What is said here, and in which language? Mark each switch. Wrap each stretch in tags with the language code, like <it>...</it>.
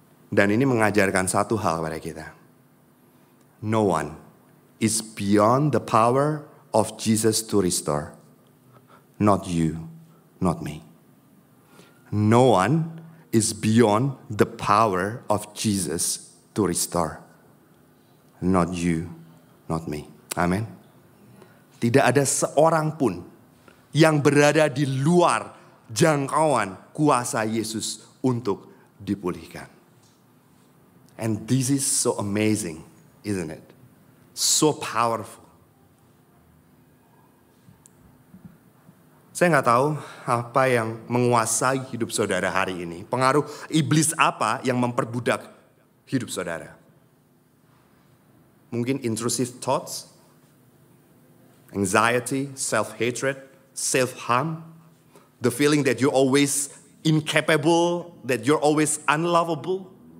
<id>Dan ini mengajarkan satu hal kepada kita.</id> <en>No one is beyond the power of Jesus to restore. Not you, not me. No one is beyond the power of Jesus to restore. Not you, not me. Amen.</en> <id>Tidak ada seorang pun yang berada di luar jangkauan kuasa Yesus untuk dipulihkan.</id> <en>And this is so amazing, isn't it? So powerful.</en> <id>Saya gak tahu apa yang menguasai hidup saudara hari ini. Pengaruh iblis apa yang memperbudak hidup saudara. Mungkin</id> <en>intrusive thoughts, anxiety, self-hatred, self-harm, the feeling that you're always incapable, that you're always unlovable.</en>